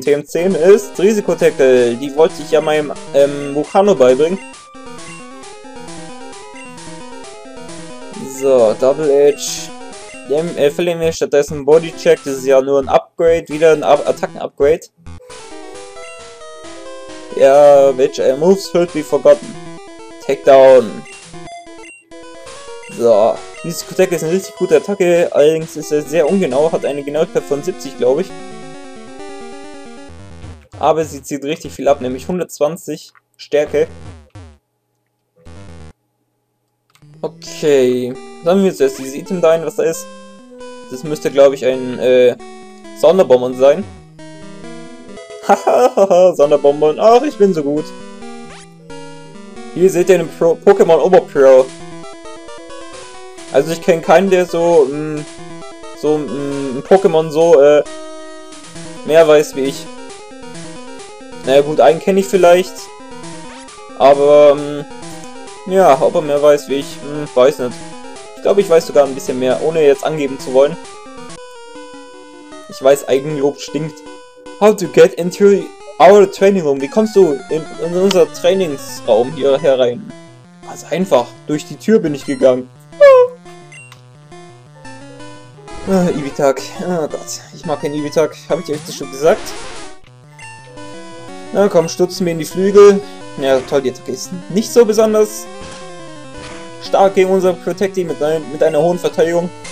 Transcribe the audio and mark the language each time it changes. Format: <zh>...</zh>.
<de>TM10 ist Risikotackle. Die wollte ich ja meinem Mukano beibringen. So, Double Edge. Dem verlieren wir stattdessen Bodycheck, das ist ja nur ein Upgrade, wieder ein Attacken-Upgrade.</de> <en>Ja, which moves should be forgotten. Takedown.</en> <de>So, dieses Kutek ist eine richtig gute Attacke, allerdings ist er sehr ungenau, hat eine Genauigkeit von 70, glaube ich. Aber sie zieht richtig viel ab, nämlich 120 Stärke. Okay, sammeln wir zuerst dieses Item da ein, was da ist. Das müsste, glaube ich, ein Sonderbonbon sein. Hahaha, Sonderbonbon. Ach, ich bin so gut. Hier seht ihr einen Pokémon Oberpro. Also ich kenne keinen, der so ein Pokémon so mehr weiß wie ich. Naja gut, einen kenne ich vielleicht. Aber ja, ob er mehr weiß wie ich, weiß nicht. Ich glaube, ich weiß sogar ein bisschen mehr, ohne jetzt angeben zu wollen. Ich weiß, Eigenlob stinkt.</de> <en>How to get into our training room?</en> <de>Wie kommst du in unser Trainingsraum hier herein? Also einfach, durch die Tür bin ich gegangen. Ibitak. Oh Gott, ich mag keinen Ibitak. Habe ich euch das schon gesagt? Na komm, stutzen wir in die Flügel. Ja, toll, die Attacke ist nicht so besonders stark gegen unser Protecti mit einer hohen Verteidigung.</de>